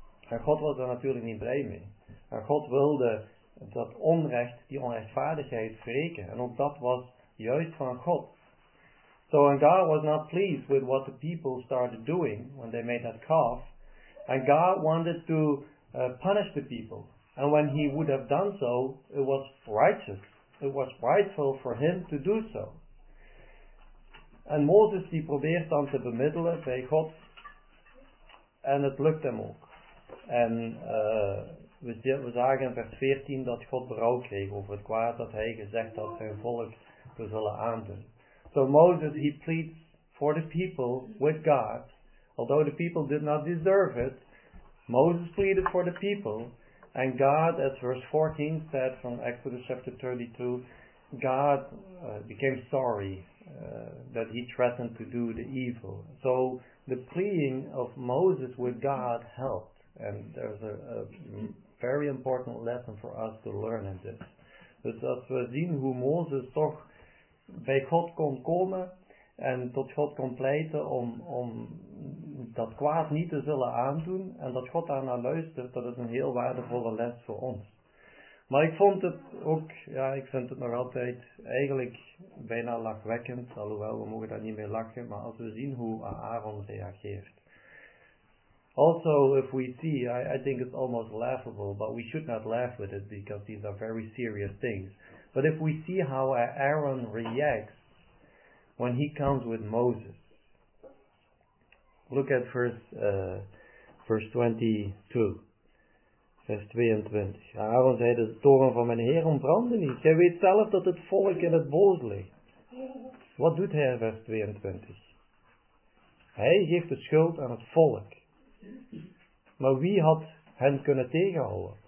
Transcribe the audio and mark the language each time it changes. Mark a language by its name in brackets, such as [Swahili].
[Dutch] En God was er natuurlijk niet blij mee. En God wilde dat onrecht, die onrechtvaardigheid, wreken. En ook dat was juist van God. [English] So, and God was not pleased with what the people started doing when they made that calf. And God wanted to punish the people. And when he would have done so, it was righteous. It was rightful for him to do so. [Dutch] En Mozes die probeert dan te bemiddelen bij God. En het lukt hem ook. En we zagen in vers 14 dat God berouw kreeg over het kwaad dat hij gezegd had zijn volk te zullen aandoen. [English] So Moses, he pleads for the people with God. Although the people did not deserve it, Moses pleaded for the people. And God, as verse 14 said from Exodus chapter 32, God became sorry that he threatened to do the evil. So the pleading of Moses with God helped. And there's a very important lesson for us to learn in this. [Dutch] Dus als we zien hoe Moses toch bij God kon komen en tot God kon pleiten om dat kwaad niet te zullen aandoen en dat God daarnaar luistert, dat is een heel waardevolle les voor ons. Maar ik vond het ook, ik vind het nog altijd eigenlijk bijna lachwekkend, alhoewel we mogen daar niet mee lachen, maar als we zien hoe Aaron reageert. [English] Also, if we see, I think it's almost laughable, but we should not laugh with it, because these are very serious things. But if we see how Aaron reacts when he comes with Moses, look at verse 22. [Dutch] Aaron zei, de toren van mijn Heer ontbrandde niet. Gij weet zelf dat het volk in het boos ligt. Wat doet hij in vers 22? Hij geeft de schuld aan het volk. Maar wie had hen kunnen tegenhouden?